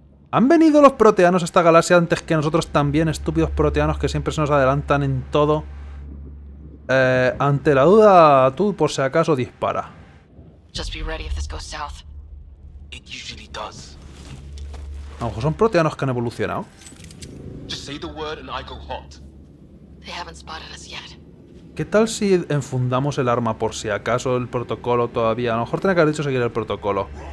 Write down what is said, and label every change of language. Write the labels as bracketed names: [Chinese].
[Spanish] ¿Han venido los proteanos a esta galaxia antes que nosotros también, estúpidos proteanos que siempre se nos adelantan en todo? Ante la duda, tú por si acaso dispara. [English] Just be ready if this goes south. It usually does. [Spanish] A lo mejor son proteanos que han evolucionado. [English] Just say the word and I go hot. They haven't spotted us yet. [Spanish] ¿Qué tal si enfundamos el arma por si acaso el protocolo todavía? A lo mejor tenía que haber dicho seguir el protocolo.